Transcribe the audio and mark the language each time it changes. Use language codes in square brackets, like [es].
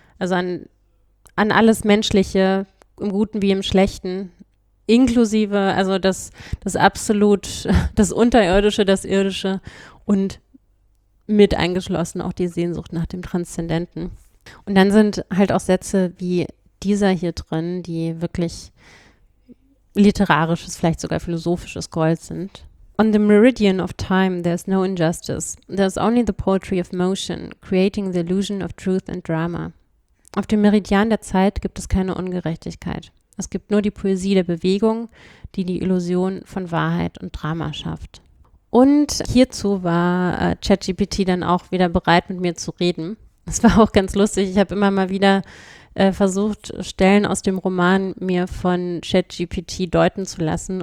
[de] Also an alles Menschliche, im Guten wie im Schlechten, inklusive, also das absolut, das Unterirdische, das Irdische und mit eingeschlossen auch die Sehnsucht nach dem Transzendenten. Und dann sind halt auch Sätze wie dieser hier drin, die wirklich literarisches, vielleicht sogar philosophisches Gold sind. [en] On the meridian of time, there's no injustice. There's only the poetry of motion, creating the illusion of truth and drama. [de] Auf dem Meridian der Zeit gibt es keine Ungerechtigkeit. Es gibt nur die Poesie der Bewegung, die die Illusion von Wahrheit und Drama schafft. Und hierzu war ChatGPT dann auch wieder bereit, mit mir zu reden. Es war auch ganz lustig. Ich habe immer mal wieder versucht, Stellen aus dem Roman mir von ChatGPT deuten zu lassen.